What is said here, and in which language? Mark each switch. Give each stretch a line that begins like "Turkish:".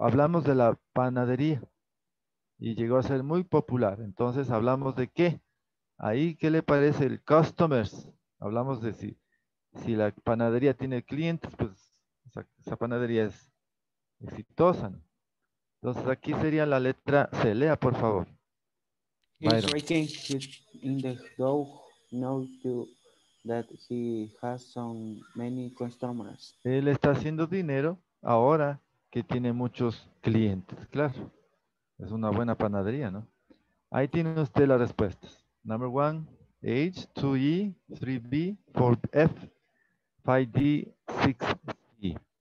Spanish: Hablamos de la panadería y llegó a ser muy popular. Entonces, ¿hablamos de qué? Ahí, ¿qué le parece el customers? Hablamos de si la panadería tiene clientes, pues esa panadería es exitosa, ¿no? Entonces, aquí sería la letra C. Lea, por favor.
English: He's breaking in the dough now to that he has some many customers.
Spanish: Él está haciendo dinero ahora que tiene muchos clientes. Claro, es una buena panadería, ¿no? Ahí tiene usted las respuestas.
English: Number 1, H, 2E, 3B, 4F, 5D, 6E.